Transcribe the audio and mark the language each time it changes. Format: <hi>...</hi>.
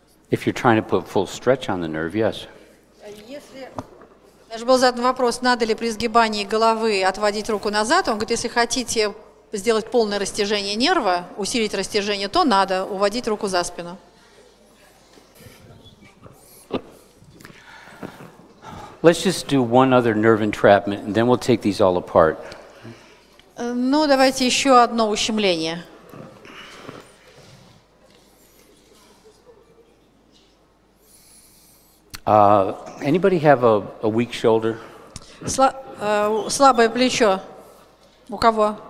<en>If you're trying to put full stretch on the nerve, yes.</en> <ru>Даже был задан вопрос, надо ли при сгибании головы отводить руку назад. Он говорит, если хотите сделать полное растяжение нерва, усилить растяжение, то надо уводить руку за спину.</ru> <en>Let's just do one other nerve entrapment, and then we'll take these all apart.</en> <ru>Ну, давайте еще одно ущемление.</ru> <en>Anybody have a weak shoulder?</en> <ru>Слабое плечо. У кого?</ru>